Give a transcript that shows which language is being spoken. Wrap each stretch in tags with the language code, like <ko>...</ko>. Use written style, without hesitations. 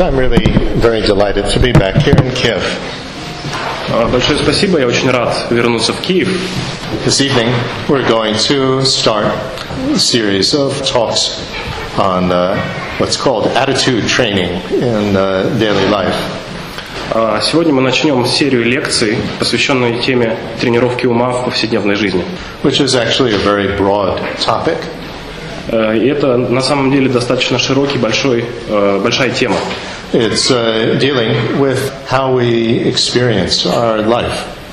<en>I'm really very delighted to be back here in Kiev.</en> <ru>Большое спасибо, я очень рад вернуться в Киев.</ru> <en>This evening we're going to start a series of talks on what's called attitude training in daily life.</en> <ru>Сегодня мы начнем серию лекций, посвященную теме тренировки ума в повседневной жизни.</ru> <en>Which is actually a very broad topic.</en> <ru>И это на самом деле достаточно широкий, большой, большая тема.</ru> <en>It's dealing with how we experience our life.</en>